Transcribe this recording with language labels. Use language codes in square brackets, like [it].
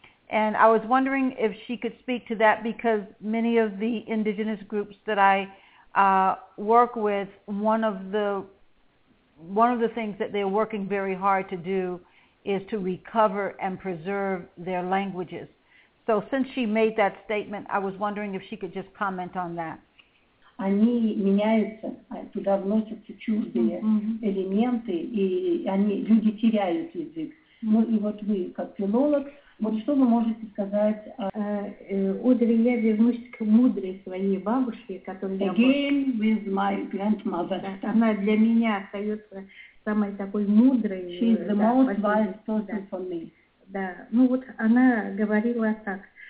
[en] And I was wondering if she could speak to that, because many of the indigenous groups that I work with, one of the things that they're working very hard to do is to recover and preserve their languages. So since she made that statement, I was wondering if she could just comment on that. [ru] Они меняются, туда вносятся чуждые элементы, и они, люди теряют язык. Ну и вот вы, как филолог, вот что вы можете сказать о... Одри, я вернусь к мудрой своей бабушке, которая... [en] Again with my grandmother. [ru] Она для меня остается самой такой мудрой. [en] She is the most wise person for me. [ru] Да, ну вот она говорила так.